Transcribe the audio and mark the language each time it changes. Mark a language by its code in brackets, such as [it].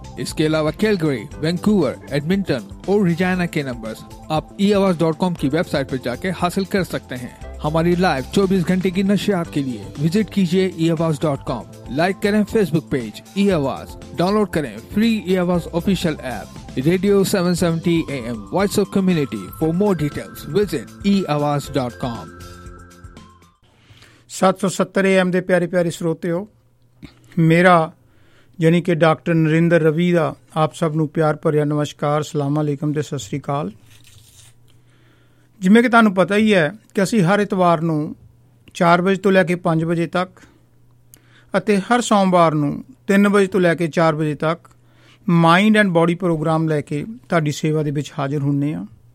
[hi] इसके अलावा Calgary, Vancouver, Edmonton और रिजाना के नंबर्स आप eawaz.com की वेबसाइट पर जाके हासिल कर सकते हैं। हमारी लाइव 24 घंटे की नशियात के लिए विजिट कीजिए eawaz.com। लाइक करें फेसबुक पेज eawaz, डाउनलोड करें free eawaz official app. [en] Radio 770 AM, Voice of Community. For more details, visit eawaz.com. [pa] 770 AM ਦੇ ਪਿਆਰੇ ਪਿਆਰੇ ਸਰੋਤਿਓ, ਮੇਰਾ ਯਾਨੀ ਕਿ ਡਾਕਟਰ ਨਰਿੰਦਰ ਰਵੀ ਦਾ ਆਪ ਸਭ ਨੂੰ ਪਿਆਰ ਭਰਿਆ ਨਮਸਕਾਰ, ਸਲਾਮਾਂ ਅਲੈਕਮ ਅਤੇ ਸਤਿ ਸ਼੍ਰੀ ਅਕਾਲ। ਜਿਵੇਂ ਕਿ ਤੁਹਾਨੂੰ ਪਤਾ ਹੀ ਹੈ ਕਿ ਅਸੀਂ ਹਰ ਇਤਵਾਰ ਨੂੰ 4 ਵਜੇ ਤੋਂ ਲੈ ਕੇ 5 ਵਜੇ ਤੱਕ ਅਤੇ ਹਰ ਸੋਮਵਾਰ ਨੂੰ 3 ਵਜੇ ਤੋਂ ਲੈ ਕੇ 4 ਵਜੇ ਤੱਕ ਮਾਈਂਡ ਐਂਡ ਬਾਡੀ ਪ੍ਰੋਗਰਾਮ ਲੈ ਕੇ ਤੁਹਾਡੀ ਸੇਵਾ ਦੇ ਵਿੱਚ ਹਾਜ਼ਰ ਹੁੰਦੇ ਹਾਂ।